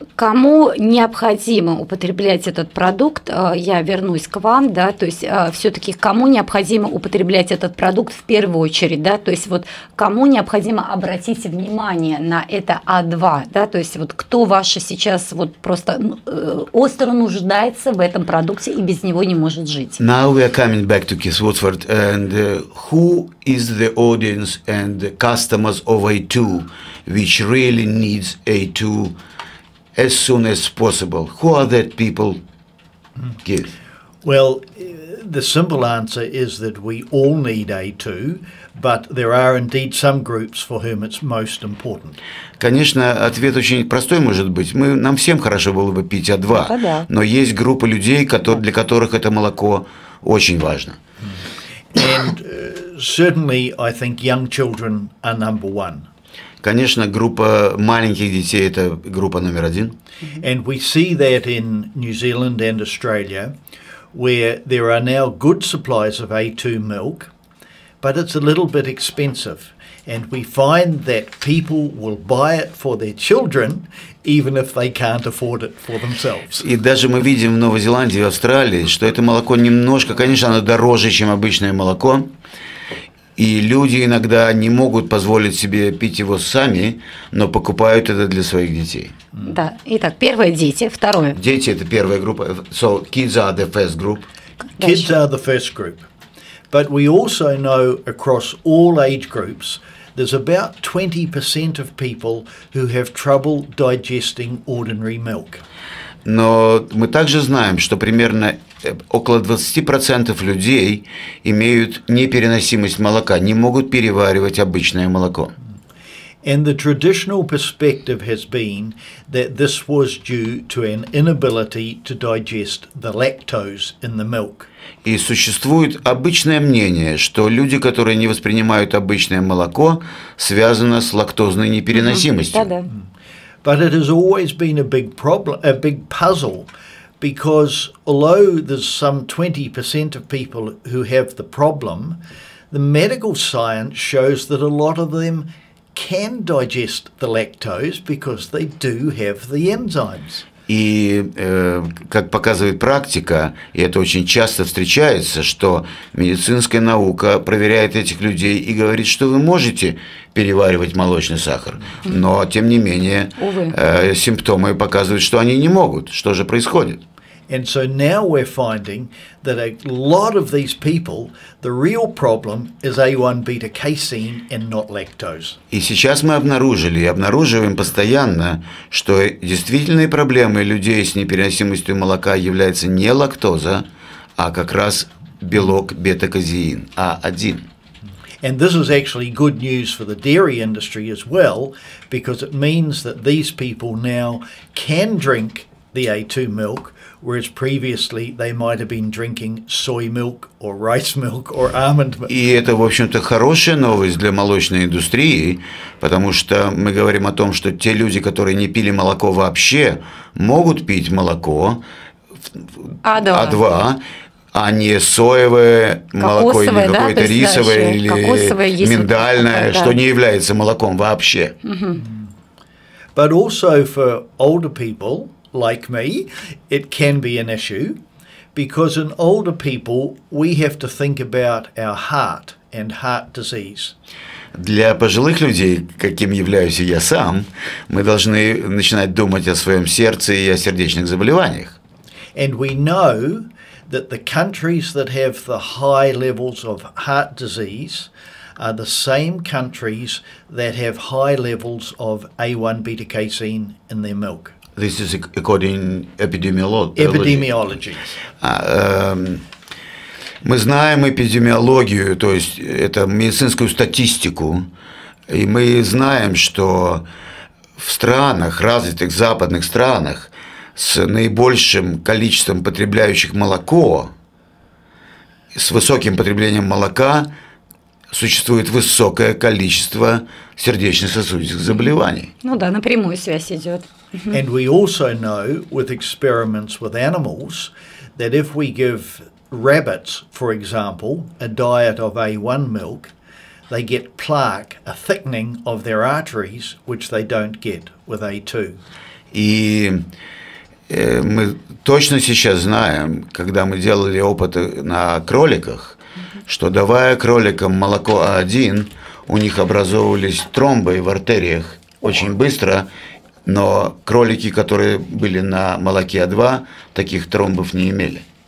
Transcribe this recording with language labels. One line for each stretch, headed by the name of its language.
Russian: Кому необходимо употреблять этот продукт, я вернусь к вам, да, то есть все-таки кому необходимо употреблять этот продукт в первую очередь, да, то есть вот кому необходимо обратить внимание на это А2, да, то есть вот кто ваше сейчас вот просто остро нуждается в этом продукте и без него не может жить.
English: Now we are coming back to Keith Woodford, and who is the audience and the customers of A2, which really needs A2? As soon as possible. Who are that people, Keith? Well, the simple answer is that we all need A2, but there are indeed some groups for whom it's most important.
Russian: Конечно, ответ очень простой может быть. Нам всем хорошо было бы пить А2, но есть группа людей, для которых это молоко очень важно.
English: And certainly, I think young children are number one.
Russian: Конечно, группа маленьких детей – это группа номер один.
English: And we see that in New Zealand and Australia, where there are now good supplies of A2 milk, but it's a little bit expensive. And we find that people will buy it for their children, even if they can't afford it for themselves.
Russian: И даже мы видим в Новой Зеландии и Австралии, что это молоко немножко, конечно, оно дороже, чем обычное молоко. И люди иногда не могут позволить себе пить его сами, но покупают это для своих детей. Да. Итак, первое – дети, второе. Дети – это первая группа.
English: So, kids are the first group. Kids are the first group. But we also know across all age groups, there's about 20% of people who have trouble digesting ordinary milk.
Russian: Но мы также знаем, что примерно около 20% людей имеют непереносимость молока, не могут переваривать обычное молоко.
English: And the traditional perspective has been that this was due to an inability to digest the lactose in the milk.
Russian: И существует обычное мнение, что люди, которые не воспринимают обычное молоко, связано с лактозной непереносимостью. Mm-hmm.
English: But it has always been a big problem, a big puzzle, because although there's some 20% of people who have the problem, the medical science shows that a lot of them can digest the lactose because they do have the enzymes.
Russian: И как показывает практика, и это очень часто встречается, что медицинская наука проверяет этих людей и говорит, что вы можете переваривать молочный сахар, но тем не менее симптомы показывают, что они не могут. Что же происходит?
English: And so now we're finding that a lot of these people, the real problem is A1 beta casein and not lactose.
Russian: И сейчас мы обнаружили и обнаруживаем постоянно, что действительной проблемой людей с непереносимостью молока является не лактоза, а как раз белок бета-казеин, А1.
English: And this is actually good news for the dairy industry as well, because it means that these people now can drink the A2 milk, whereas previously they might have been drinking soy milk or rice milk or almond milk.
Russian: И это, в общем-то, хорошая новость для молочной индустрии, потому что мы говорим о том, что те люди, которые не пили молоко вообще, могут пить молоко А2, а не соевое молоко, или какое-то да, рисовое, дальше, или миндальное, вот что не является молоком вообще.
English: But also for older people, like me, it can be an issue, because in older people, we have to think about our heart and heart disease.
Russian: Для пожилых людей, каким являюсь я сам, мы должны начинать думать о своем сердце и о сердечных заболеваниях.
English: And we know that the countries that have the high levels of heart disease are the same countries that have high levels of A1 beta casein in their milk. This is according epidemiology.
Russian: Мы знаем эпидемиологию, то есть это медицинскую статистику, и мы знаем, что в странах, развитых западных странах, с наибольшим количеством потребляющих молоко, с высоким потреблением молока, существует высокое количество сердечно-сосудистых заболеваний. Ну да, напрямую связь идет.
English: And we also know with experiments with animals that if we give rabbits, for example, a diet of A1 milk, they get plaque, a thickening of their arteries, which they don't get with A2.
Russian: И мы точно сейчас знаем, когда мы делали опыты на кроликах, что давая кроликам молоко А1, у них образовывались тромбы в артериях очень быстро, но кролики, которые были на молоке А2, таких тромбов не имели.